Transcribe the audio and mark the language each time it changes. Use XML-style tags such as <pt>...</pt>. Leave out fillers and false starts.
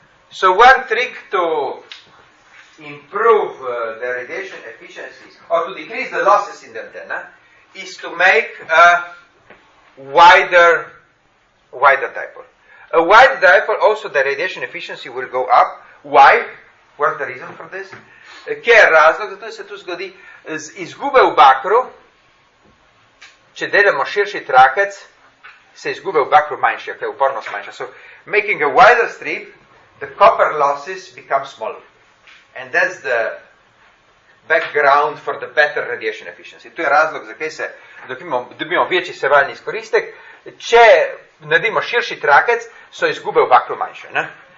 <en>So one trick to improve the radiation efficiency or to decrease the losses in the antenna is to make a wider dipole. A wide dipole, also the radiation efficiency will go up. Why? What's the reason for this?</en> <sl>Kje je razlog, zato se tu zgodi, z izgube v bakru, če delamo širši trakec, se izgube v bakru manjši, ok, upornost manjša.</sl> <en>So, making a wider strip, the copper losses become smaller. And that's the background for the better radiation efficiency.</en> <sl>To je razlog, zakaj se dobimo večji sevalni izkoristek, če naredimo širši trakec, so izgube v bakru manjše, ne?</sl>